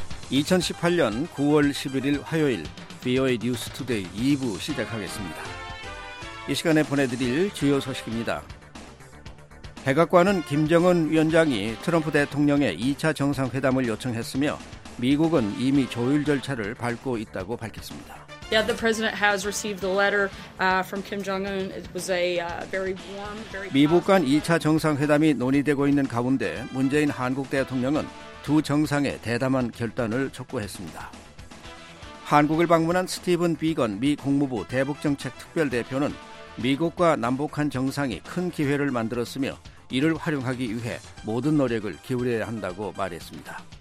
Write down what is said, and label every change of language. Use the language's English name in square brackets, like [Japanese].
[Korean] 2018년 9월 11일 화요일 VOA News Today 2부 시작하겠습니다. 이 시간에 보내드릴 주요 소식입니다. 백악관은 김정은 위원장이 트럼프 대통령의 2차 정상회담을 요청했으며 미국은 이미 조율 절차를 밟고 있다고 밝혔습니다. [English] Yeah, the president has received the letter from Kim Jong-un. It was a very warm, very positive. [Korean] 미북 간 2차 정상회담이 논의되고 있는 가운데 문재인 한국 대통령은 두 정상의 대담한 결단을 촉구했습니다. 한국을 방문한 스티븐 비건 미 국무부 대북정책특별대표는 미국과 남북한 정상이 큰 기회를 만들었으며 이를 활용하기 위해 모든 노력을 기울여야 한다고 말했습니다.